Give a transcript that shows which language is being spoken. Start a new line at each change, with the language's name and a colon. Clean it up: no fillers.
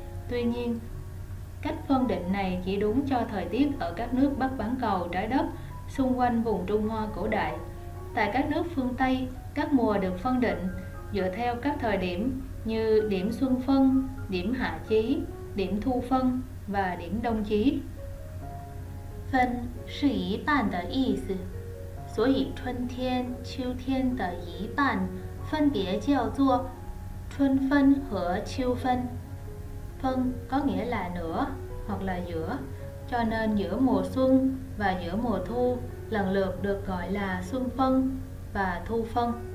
Vietnamese: Tuy nhiên, cách phân định này chỉ đúng cho thời tiết ở các nước Bắc bán cầu trái đất xung quanh vùng Trung Hoa cổ đại. Tại các nước phương Tây, các mùa được phân định dựa theo các thời điểm như điểm xuân phân, điểm hạ chí, điểm thu phân và điểm đông chí.
Chinese: Phân 是一半的意思, 所以春天、秋天的一半 分别叫做春分和秋分.
Vietnamese: Phân có nghĩa là nửa hoặc là giữa, cho nên giữa mùa xuân và giữa mùa thu lần lượt được gọi là xuân phân và thu phân.